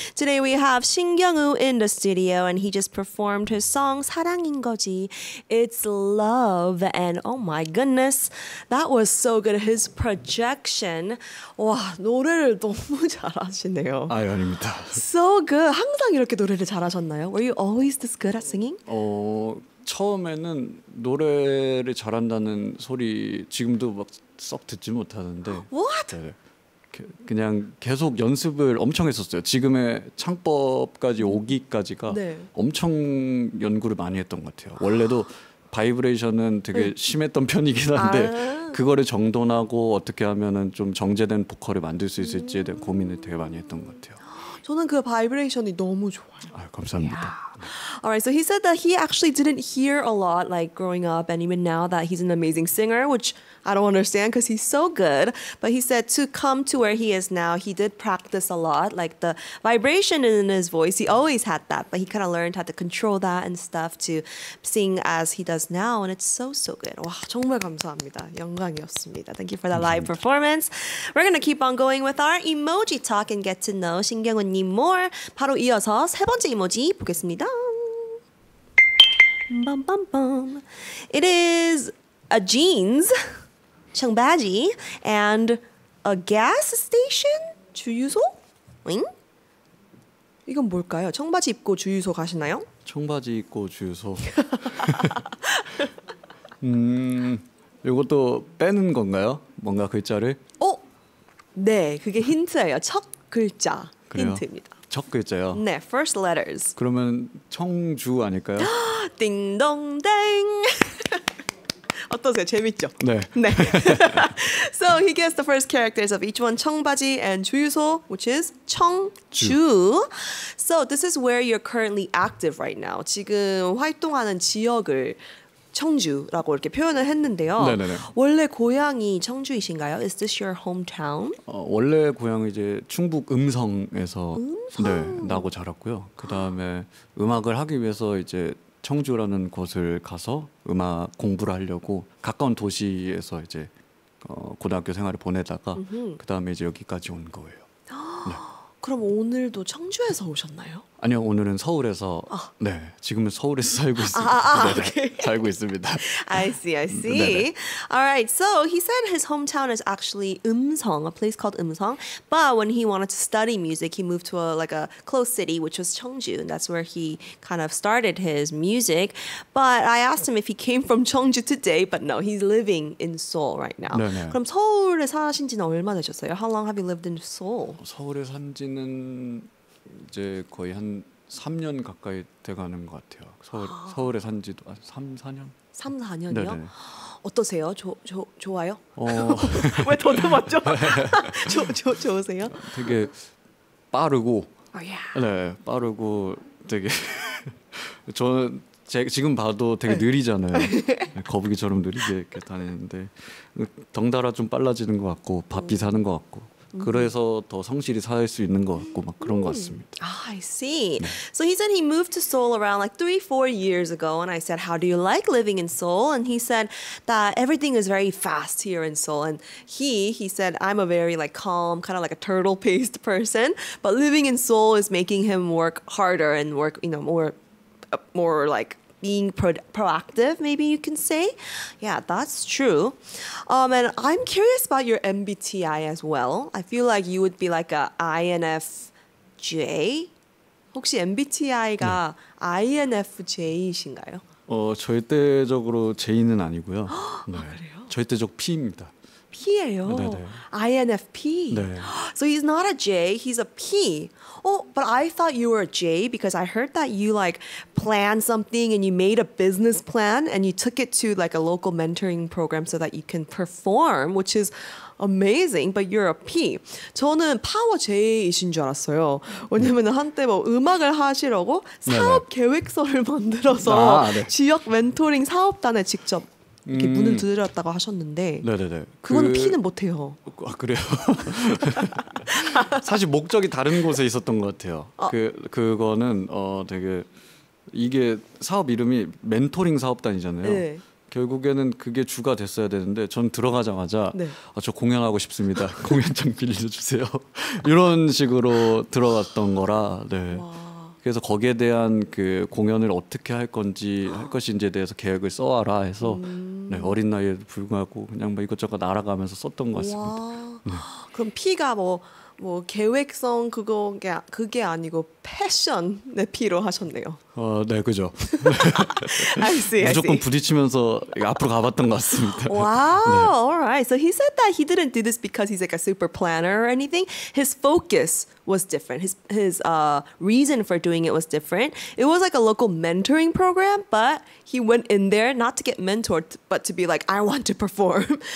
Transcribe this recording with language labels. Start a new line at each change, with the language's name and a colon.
English: Today we have Shin Kyung-woo in the studio and he just performed his song 사랑인 거지. It's love. And oh my goodness, that was so good. His projection.
Korean: 와, 노래를 너무 잘하시네요. 아유, 아닙니다.
English: So good.
Korean: 항상 이렇게 노래를 잘하셨나요?
English: Were you always this good at singing?
Korean: 처음에는 노래를 잘한다는 소리 지금도 막 썩 듣지 못하는데
English: What? 네,
Korean: 그냥 계속 연습을 엄청 했었어요. 지금의 창법까지 오기까지가 네. 엄청 연구를 많이 했던 것 같아요. 원래도 바이브레이션은 되게 심했던 편이긴 한데 그거를 정돈하고 어떻게 하면은 좀 정제된 보컬을 만들 수 있을지에 대한 고민을 되게 많이 했던 것 같아요. 저는 그 바이브레이션이 너무 좋아요. 아, 감사합니다.
English: Yeah. All right, so he said that he actually didn't hear a lot like growing up and even now that he's an amazing singer, which I don't understand because he's so good. But he said to come to where he is now, he did practice a lot. Like the vibration in his voice, he always had that, but he kind of learned how to control that and stuff to sing as he does now. And it's so, so good.
Korean: 와, 정말 감사합니다. 영광이었습니다.
English: Thank you for that live performance. We're going to keep on going with our emoji talk and get to know 신경훈님 more.
Korean: 바로 이어서 세 번째 이모지 보겠습니다.
English: Bum, bum, bum. It is a jeans.
Korean: 청바지
English: and a gas station
Korean: 주유소? 응? 이건 뭘까요? 청바지 입고 주유소 가시나요? 청바지 입고 주유소. 이것도 빼는 건가요? 뭔가 글자를? 어? 네, 그게 힌트예요. 첫 글자 힌트입니다. 첫 글자요?
English: 네, first letters.
Korean: 그러면 청주 아닐까요? 띵동댕. 어떠세요? 재밌죠? 네. 네.
English: So he gets the first characters of each one, 청바지 and 주유소, which is 청주. So this is where you're currently active right now.
Korean: 지금 활동하는 지역을 청주라고 이렇게 표현을 했는데요. 네네네. 원래 고향이 청주이신가요? Is this your hometown? 원래 고향이 이제 충북 음성에서 음성? 네, 나고 자랐고요. 그다음에 음악을 하기 위해서 이제 청주라는 곳을 가서 음악 공부를 하려고 가까운 도시에서 이제 고등학교 생활을 보내다가 그 다음에 이제 여기까지 온 거예요. 네. 그럼 오늘도 청주에서 오셨나요? 아니요, 오늘은 서울에서. 아. 네, 지금은 서울에서 살고 있습니다. 살고 있습니다.
English: I see. All right. So he said his hometown is actually Eumseong, a place called Eumseong. But when he wanted to study music, he moved to a like a close city, which was Cheongju, and that's where he kind of started his music. But I asked him if he came from Cheongju today, but no, he's living in Seoul right now.
Korean: 네네. 그럼 서울에 사신지는 얼마 되셨어요?
English: How long have you lived in Seoul?
Korean: 서울에 산지는 이제 거의 한 3년 가까이 돼가는 것 같아요. 서울, 아. 서울에 산지도 3, 4년? 3, 4년이요? 네네. 어떠세요? 좋아요? 왜 더듬었죠? 좋으세요? 되게 빠르고
English: oh, yeah.
Korean: 네, 빠르고 되게 저는 지금 봐도 되게 느리잖아요. 거북이처럼 느리게 이렇게 다니는데 덩달아 좀 빨라지는 것 같고 바삐 사는 것 같고 그래서 더 성실히 살 수 있는 것 같고 막 그런 것 같습니다.
English: Ah, I see. 네. So he said he moved to Seoul around like 3-4 years ago, and I said, "How do you like living in Seoul?" And he said that everything is very fast here in Seoul. And he said, "I'm a very like calm, kind of like a turtle-paced person, but living in Seoul is making him work harder and work, you know, more like." Being proactive, maybe you can say. Yeah, that's true. And I'm curious about your MBTI as well. I feel like you would be like a INFJ.
Korean: 혹시 MBTI가 네. INFJ이신가요? 절대적으로 J는 아니고요. 네. 아, 그래요? 절대적 P입니다. P예요? 네네. INFP? 네.
English: So he's not a J, he's a P. Oh, but I thought you were a J because I heard that you like planned something and you made a business plan and you took it to like a local mentoring program so that you can perform, which is amazing, but you're a P.
Korean: 저는 파워 J이신 줄 알았어요. 왜냐면 한때 뭐 음악을 하시려고 사업 네네. 계획서를 만들어서 아, 네. 지역 멘토링 사업단에 직접 이렇게 문을 두드렸다고 하셨는데 네네네. 그거는 피는 못해요. 아 그래요? 사실 목적이 다른 곳에 있었던 것 같아요. 그거는 되게 이게 사업 이름이 멘토링 사업단이잖아요. 네. 결국에는 그게 주가 됐어야 되는데 전 들어가자마자 네. 아, 저 공연하고 싶습니다. 공연장 빌려주세요. 이런 식으로 들어갔던 거라 네. 그래서 거기에 대한 그 공연을 어떻게 할 건지 할 것인지에 대해서 계획을 써와라 해서 네, 어린 나이에 불구하고 그냥 막 이것저것 알아가면서 썼던 것 같습니다. 그럼 P가 뭐 계획성 그게 아니고 패션의 P로 하셨네요. 네 그죠.
English: I see.
Korean: 무조건 부딪히면서 앞으로 가봤던 것 같습니다.
English: Wow. 네. All right. So he said that he didn't do this because he's like a super planner or anything. His focus was different. His reason for doing it was different. It was like a local mentoring program, but he went in there not to get mentored, but to be like, I want to perform.